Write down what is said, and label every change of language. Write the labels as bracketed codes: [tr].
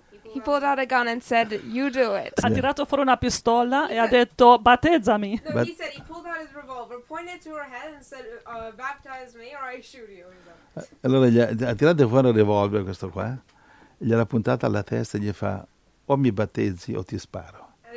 [en] He pulled out a gun and said, you do it. [it] Ha tirato fuori una pistola e ha detto, battezzami. [en] No, he said, he pulled out his revolver, pointed to her head and said, baptize me or I shoot you. [it] Allora ha tirato fuori il revolver, questo qua, gliel'ha puntata alla testa e gli fa, o mi battezzi o ti sparo.